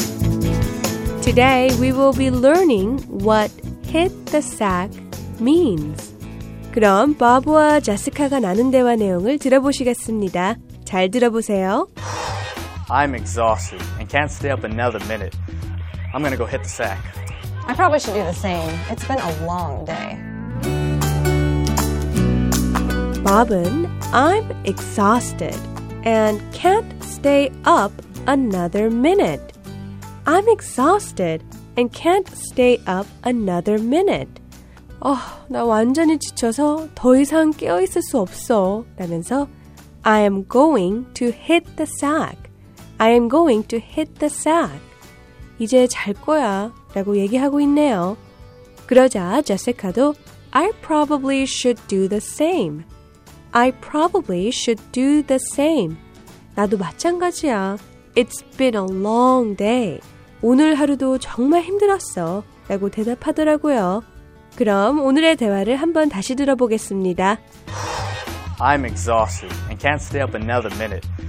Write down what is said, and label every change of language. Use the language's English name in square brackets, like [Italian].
[English] 오늘 we will be learning what hit the sack means. [Korean] 그럼 바보와 제시카가 나눈 대화 내용을 들어보시겠습니다. 잘 들어보세요. [English] I'm exhausted and can't stay up another minute. I'm gonna go hit the sack. I probably should do the same. It's been a long day. Bobin, I'm exhausted and can't stay up another minute. I'm exhausted and can't stay up another minute. [Korean] 나 완전히 지쳐서 더 이상 깨어 있을 수 없어. [English] 라면서 I am going to hit the sack. I am going to hit the sack. [Korean] 이제 잘 거야 라고 얘기하고 있네요. 그러자 제시카도 [English] I probably should do the same. I probably should do the same. [Korean] 나도 마찬가지야. [English] It's been a long day. [Korean] 오늘 하루도 정말 힘들었어 라고 대답하더라고요. 그럼 오늘의 대화를 한번 다시 들어보겠습니다. [English] I'm exhausted and can't stay up another minute.